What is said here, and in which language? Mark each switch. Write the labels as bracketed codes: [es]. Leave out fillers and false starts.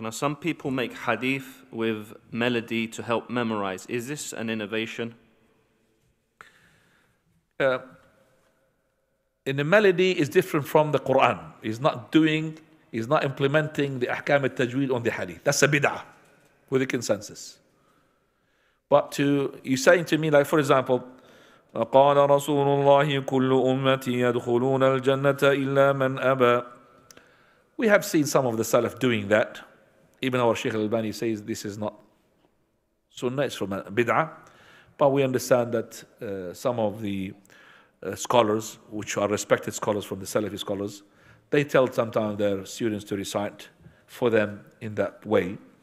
[en] Now, some people make hadith with melody to help memorize. Is this an innovation? In the melody is different from the Quran. He's not implementing the ahkam al-tajweed on the hadith. That's a bid'ah with a consensus. But to you saying to me, like for example, [ar] وَقَالَ رَسُولُ اللَّهِ كُلُّ أُمَّتِي يَدْخُلُونَ الْجَنَّةَ إِلَّا مَنْ أَبَى. [en] We have seen some of the Salaf doing that. Even our Sheikh al-Albani says this is not sunnah, it's from a bid'ah. But we understand that some of the scholars, which are respected scholars from the Salafi scholars, they tell sometimes their students to recite for them in that way.